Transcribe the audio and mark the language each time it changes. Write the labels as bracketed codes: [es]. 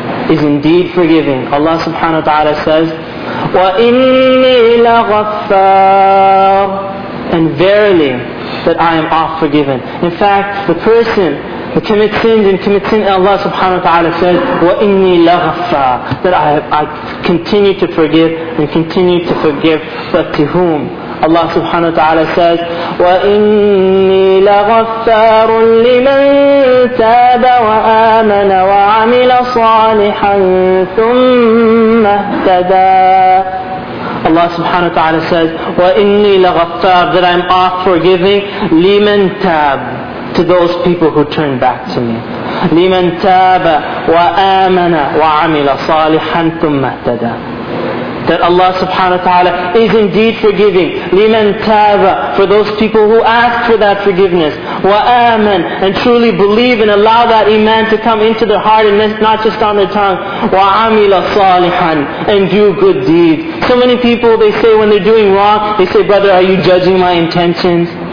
[en] Is indeed forgiving. Allah subhanahu wa ta'ala says, [ar] وَإِنِّي لَغَفَّارٌ. [en] And verily that I am all forgiven. In fact, the person who commits sins and commits sin, Allah subhanahu wa ta'ala says, [ar] وَإِنِّي لَغَفَّارٌ. [en] That I continue to forgive and continue to forgive. But to whom? [ar] Allah subhanahu wa ta'ala says, وَإِنِّي لَغَفَّارٌ لِمَنْ تَابَ وَآمَنَ وَعَمِلَ صَالِحًا ثُمَّ اهْتَدَى. [en] Allah subhanahu wa ta'ala says, [ar] وَإِنِّي لَغَفَّارٌ. [en] That I'm all forgiving. [ar] لِمَنْ تَابَ. [en] To those people who turn back to me. [ar] لمن تاب وآمن وعمل صالحا ثم اهتدى. [en] That Allah subhanahu wa ta'ala is indeed forgiving. [ar] لِمَن تَابَ, [en] for those people who ask for that forgiveness. وَآمَن, and truly believe and allow that iman to come into their heart and not just on their tongue. [ar] وَعَمِلَ صَالِحًا, [en] and do good deeds. So many people, they say when they're doing wrong, they say, brother, are you judging my intentions?